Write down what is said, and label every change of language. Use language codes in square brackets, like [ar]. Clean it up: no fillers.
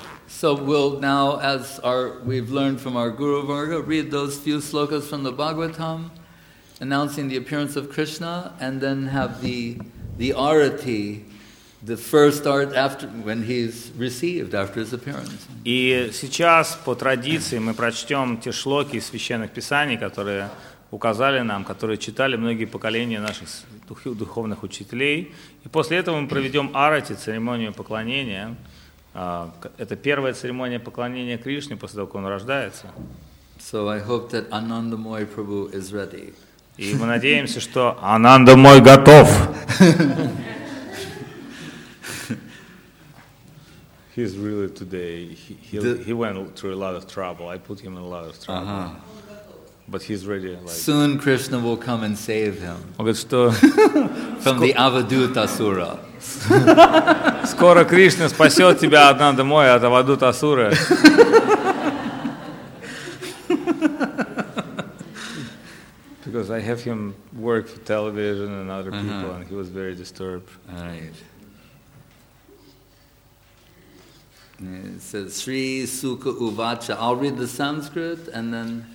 [en] So we'll now, as our, we've learned from our Guru Varga, read those few slokas from the Bhagavatam, announcing the appearance of Krishna, and then have the arati. The first art after when he's received after his appearance. [ru] И сейчас по традиции мы прочтем те шлоки из священных писаний, которые указали нам, которые читали многие поколения наших духовных учителей. И после этого мы проведем арати, церемонию поклонения. Это первая церемония поклонения Кришне после того, как он рождается. [en] So I hope that Anandamoy Prabhu is ready. [ru] И мы надеемся, что Анандамой готов. [en] He's really today, he went through a lot of trouble. I put him in a lot of trouble. Uh-huh. But he's ready. Like, soon Krishna will come and save him. From the Avadhut Asura. [ru] Скоро Кришна спасет тебя одна домой от Avadhut Asura. [en] Because I have him work for television and other people, and he was very disturbed. Right. It says Sri Suka Uvacha. I'll read the Sanskrit and then